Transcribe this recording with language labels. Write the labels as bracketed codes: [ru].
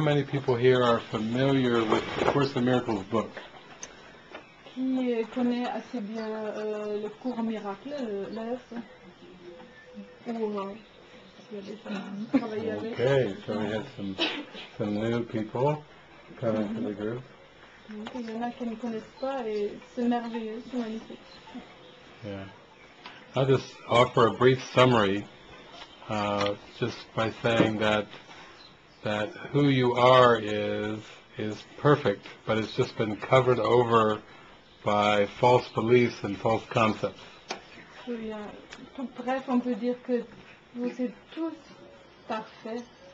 [en] People here are familiar with the Course in Miracles book. [fr] Qui connaît assez bien le cours en miracle, l'œuvre. [en] Okay, so we have some new people coming to the group. [fr] Il y en a qui ne connaissent pas et c'est merveilleux, c'est magnifique. [en] Yeah, I'll just offer a brief summary, just by saying that who you are is perfect, but it's just been covered over by false beliefs and false concepts. [fr] Tout bref, on peut dire que vous êtes tous parfaits.